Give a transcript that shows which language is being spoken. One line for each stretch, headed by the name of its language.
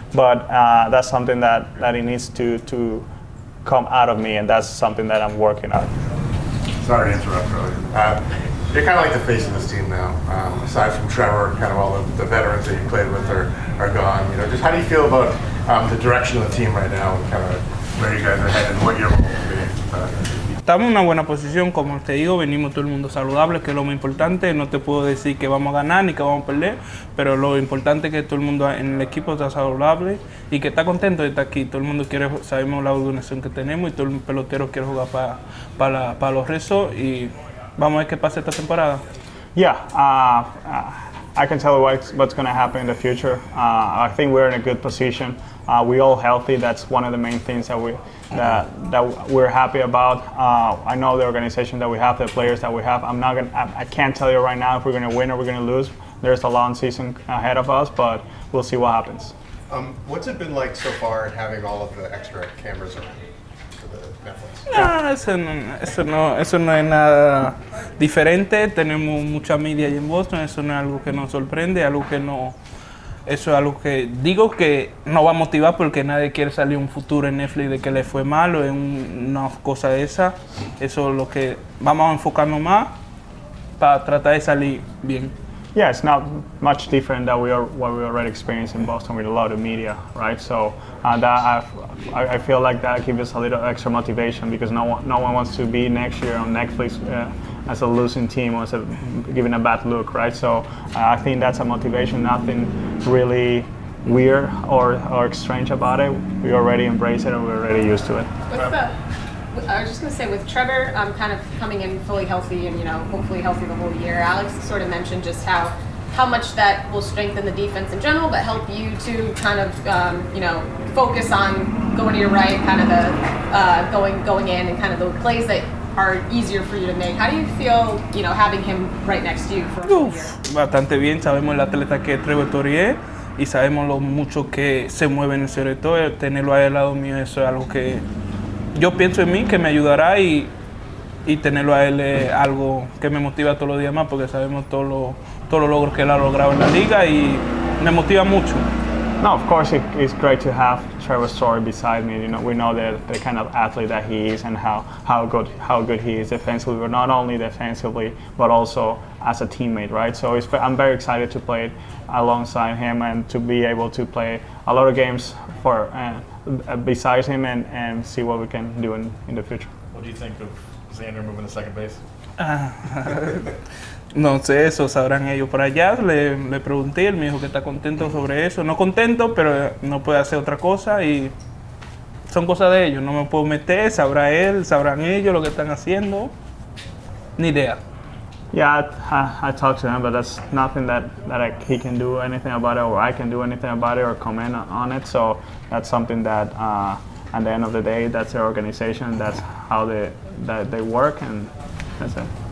English: But that's something that he needs to come out of me, and that's something that I'm working on. Sorry to interrupt, really. You're kind of like the face of this team now. Aside from Trevor, kind of all the veterans that you played with are gone. You know, just how do you feel about the direction of the team right now, and kind of where you guys are headed, what your role will be?
Spanish: Estamos en una buena posición, como te digo, venimos todo el mundo saludable, que es lo más importante. No te puedo decir que vamos a ganar ni que vamos a perder, pero lo importante es que todo el mundo en el equipo está saludable y que está contento de estar aquí. Todo el mundo quiere, sabemos la organización que tenemos, y todo el pelotero quiere jugar para los rezos, y vamos a ver qué pasa esta temporada.
English: Yeah, I can tell you what's going to happen in the future. I think we're in a good position. We all healthy. That's one of the main things that we're happy about. I know the organization that we have, the players that we have. I can't tell you right now if we're going to win or we're going to lose. There's a long season ahead of us, but we'll see what happens. What's it been like so far having all of the extra cameras around for the Netflix?
Spanish: No, eso no es nada diferente. Tenemos mucha media en Boston. Eso no es algo que nos sorprende, algo que no. Eso es algo que digo que no va a motivar, porque nadie quiere salir un futuro en Netflix de que le fue mal o en una cosa de esa. Eso es lo que vamos a enfocarnos más para tratar de salir bien.
English: Yeah, it's not much different than what we already experienced in Boston with a lot of media, right? So that I feel like that gives us a little extra motivation, because no one wants to be next year on Netflix as a losing team or giving a bad look, right? So I think that's a motivation, nothing really weird or strange about it. We already embrace it and we're already used to it. I was just going to say, with Trevor kind of coming in fully healthy and, you know, hopefully healthy the whole year, Alex sort of mentioned just how much that will strengthen the defense in general, but help you to kind of, you know, focus on going to your right, kind of the going in and kind of the plays that are easier for you to make. How do you feel, you know, having him right next to you for a whole year?
Spanish: Bastante bien. Sabemos el atleta que es Trevor Torié, y sabemos lo mucho que se mueve en el cerebro. Tenerlo ahí al lado mío, eso es algo que... Yo pienso en mí, que me ayudará, y tenerlo a él es algo que me motiva todos los días más, porque sabemos todos los logros que él ha logrado en la liga, y me motiva mucho.
English: No, of course it's great to have Trevor Story beside me. You know, we know the kind of athlete that he is, and how good he is defensively, but not only defensively, but also as a teammate, right? So I'm very excited to play alongside him and to be able to play a lot of games for beside him and see what we can do in the future. What do you think of Xander moving to second base?
Spanish: No sé, eso sabrán ellos por allá. Le pregunté, él me dijo que está contento sobre eso. No contento, pero no puede hacer otra cosa, y son cosas de ellos. No me puedo meter, sabrá él, sabrán ellos lo que están haciendo. Ni idea.
English: Yeah, I talked to him, but that's nothing that he can do anything about it, or I can do anything about it, or comment on it. So that's something that, at the end of the day, that's their organization, that's how they work, and that's it.